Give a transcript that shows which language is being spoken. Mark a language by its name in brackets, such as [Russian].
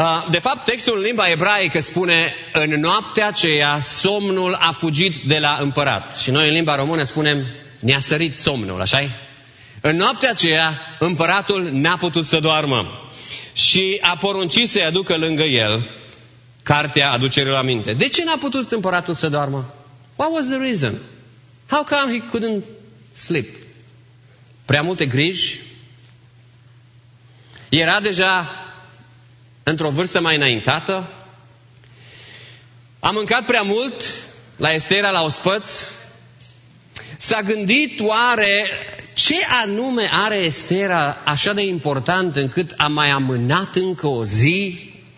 [Romanian] De fapt, textul în limba ebraică spune în noaptea aceea somnul a fugit de la împărat. Și noi în limba română spunem ne-a sărit somnul, așa-i? În noaptea aceea, împăratul n-a putut să doarmă și a poruncit să-i aducă lângă el cartea aducerilor aminte. De ce n-a putut împăratul să doarmă? [English] What was the reason? How come he couldn't sleep? [Romanian] Prea multe griji? Era deja într-o vârstă mai înaintată? A mâncat prea mult la Estera, la ospăț? S-a gândit oare ce anume are Estera așa de important încât a mai amânat încă o zi?